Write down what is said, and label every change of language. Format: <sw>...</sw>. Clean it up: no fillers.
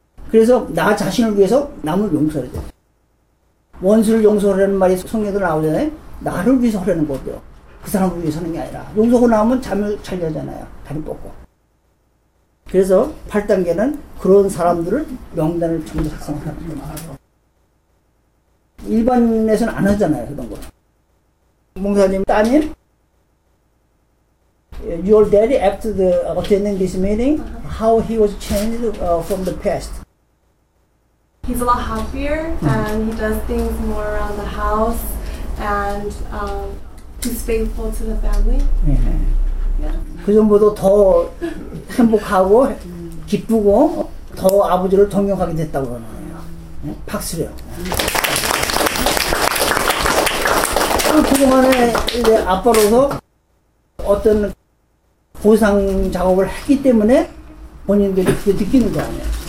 <ko>그래서 나 자신을 위해서 남을 용서해야 돼. 원수를 용서하라는 말이 성경에도 나오잖아요. 나를 위해서 하라는 거죠. 그 사람을 위해서 하는 게 아니라 용서하고 나오면 잠을 잘 자잖아요. 다리 뻗고. 그래서 8단계는 그런 사람들을 명단을 좀 더 작성하는 거예요. 일반에서는 안 하잖아요. 그런 거. 목사님 따님</ko> <en>Your daddy, after the attending this meeting, how he was changed from the past? He's a lot happier, and he does things more around the house, and he's faithful to the family. Yeah.</en> <ko>그 전보다 더 행복하고 기쁘고 더 아버지를 동경하게 됐다고 하네요. 박수요. 그동안에 이제 아빠로서 어떤 보상 작업을 했기 때문에 본인들이 그게 느끼는 거 아니에요.</ko>